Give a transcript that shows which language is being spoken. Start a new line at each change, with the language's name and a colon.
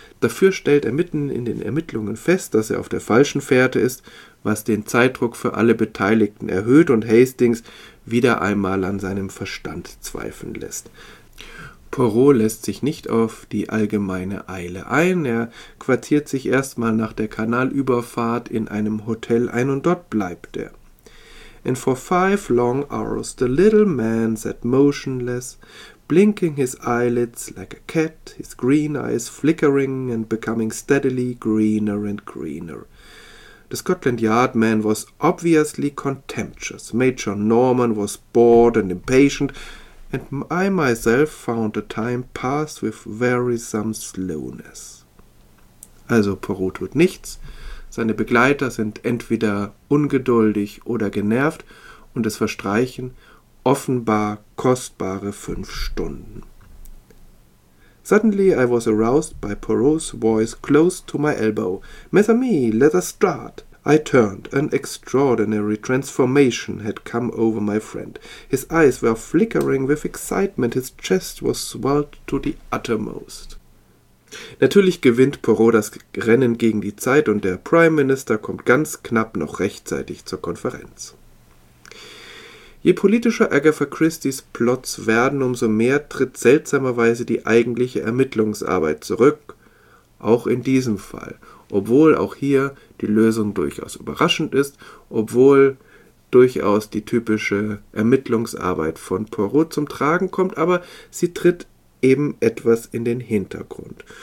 German: Dafür stellt er mitten in den Ermittlungen fest, dass er auf der falschen Fährte ist, was den Zeitdruck für alle Beteiligten erhöht und Hastings wieder einmal an seinem Verstand zweifeln lässt. Poirot lässt sich nicht auf die allgemeine Eile ein. Er quartiert sich erstmal nach der Kanalüberfahrt in einem Hotel ein und dort bleibt er.
English: And for 5 long hours the little man sat motionless, blinking his eyelids like a cat, his green eyes flickering and becoming steadily greener and greener. The Scotland Yard man was obviously contemptuous. Major Norman was bored and impatient, and I myself found the time pass with wearisome slowness.
German: Also Poirot tut nichts. Seine Begleiter sind entweder ungeduldig oder genervt und es verstreichen offenbar kostbare 5 Stunden.
English: Suddenly I was aroused by Poirot's voice close to my elbow.
French: Mes amis,
English: let us start. I turned. An extraordinary transformation had come over my friend. His eyes were flickering with excitement. His chest was swelled to the uttermost.
German: Natürlich gewinnt Poirot das Rennen gegen die Zeit und der Prime Minister kommt ganz knapp noch rechtzeitig zur Konferenz. Je politischer Agatha Christies Plots werden, umso mehr tritt seltsamerweise die eigentliche Ermittlungsarbeit zurück, auch in diesem Fall, obwohl auch hier die Lösung durchaus überraschend ist, obwohl durchaus die typische Ermittlungsarbeit von Poirot zum Tragen kommt, aber sie tritt eben etwas in den Hintergrund.